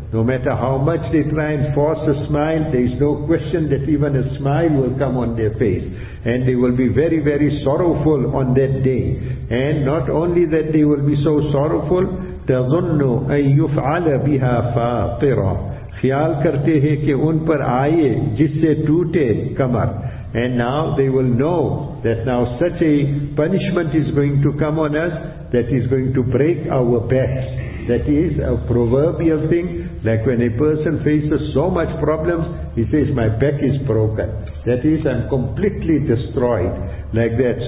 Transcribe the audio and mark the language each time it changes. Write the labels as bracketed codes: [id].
[en] No matter how much they try and force a smile, there is no question that even a smile will come on their face. And they will be very, very sorrowful on that day. And not only that they will be so sorrowful, [ar] تَظُنُّ أَن يُفْعَلَ بِهَا فَاطِرًا. [ur] خیال کرتے ہیں کہ ان پر آئے جس سے ٹوٹے کمر. [en] And now they will know that now such a punishment is going to come on us that is going to break our backs. That is a proverbial thing, like when a person faces so much problems, he says, my back is broken. That is, I'm completely destroyed. Like that.